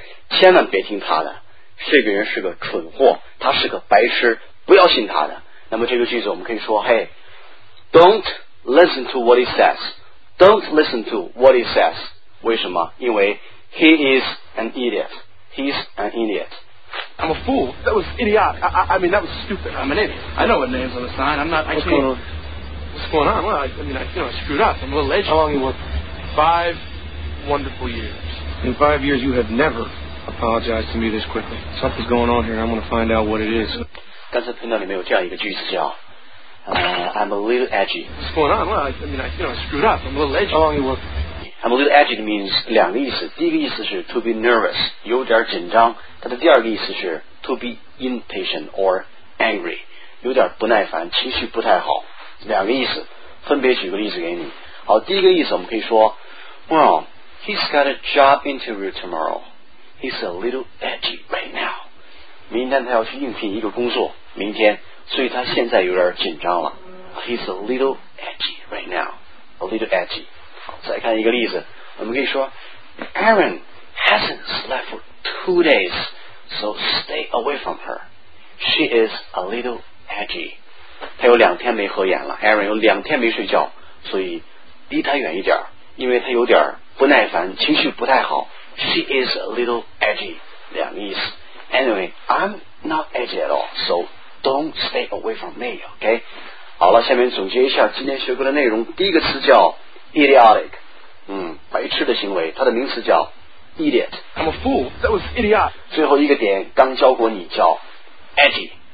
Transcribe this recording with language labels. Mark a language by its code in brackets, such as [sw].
[zh] 千万别听他的这个人是个蠢货他是个白痴不要信他的那么这个句子我们可以说 [en] Hey, don't listen to what he says Don't listen to what he says [zh] 为什么因为 [en] He is an idiot He's an idiot I'm a fool That was idiotic I mean, that was stupid I'm an idiot I know what names on the sign I'm not What's going on? What's going on? Well, I screwed up I'm a little edgy How long you want? 5wonderful years. In 5 years, you have never apologized to me this quickly. Something's going on here. I'm going to find out what it is. [zh] 刚才频道里面有这样一个句子叫 [en] I'm a little edgy. What's going on? Well, I screwed up. I'm a little edgy. How long you work? I'm a little edgy means [zh] 两个意思。第一个意思是 [en] to be nervous, [zh] 有点紧张。它的第二个意思是 [en] to be impatient or angry, [zh] 有点不耐烦，情绪不太好。两个意思，分别举个例子给你。好，第一个意思我们可以说 [en] Well,He's got a job interview tomorrow. He's a little edgy right now. [zh] 明天他要去应聘一个工作，明天，所以他现在有点紧张了。 [en] He's a little edgy right now. A little edgy. [zh] 好，再看一个例子，我们可以说 [en] ，Aaron hasn't slept for 2 days, so stay away from her. She is a little edgy. [zh] 他有两天没合眼了 ，Aaron 有两天没睡觉，所以离他远一点，因为他有点不耐烦，情绪不太好。 [en] She is a little edgy， [zh] 两个意思。 [en] Anyway, I'm not edgy at all, so don't stay away from me, okay? [zh] 好了，下面总结一下今天学过的内容。第一个词叫 idiotic， 白痴的行为，它的名词叫 idiot。 [en] I'm a fool. That was idiotic. [zh] 最后一个点刚教过你叫 edgy。